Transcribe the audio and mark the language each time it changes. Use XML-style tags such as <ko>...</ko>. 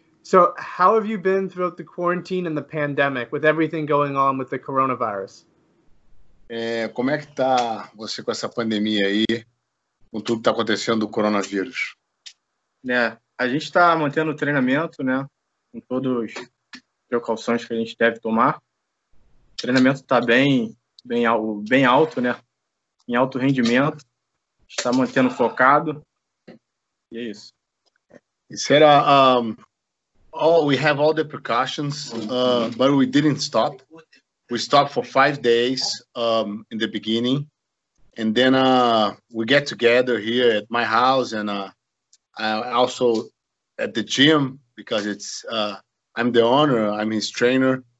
<en>So, how have you been throughout the quarantine and the pandemic with everything going on with the coronavirus?</en> <pt>Como é que tá você com essa pandemia aí, com tudo que tá acontecendo do coronavírus? Né, a gente está mantendo o treinamento, né, com todas as precauções que a gente deve tomar. O treinamento está bem alto, né, em alto rendimento. Está mantendo focado. E é isso.</pt> <en>We have all the precautions, but we didn't stop. We stopped for 5 days in the beginning, and then we get together here at my house and also at the gym because I'm the owner, I'm his trainer.</en>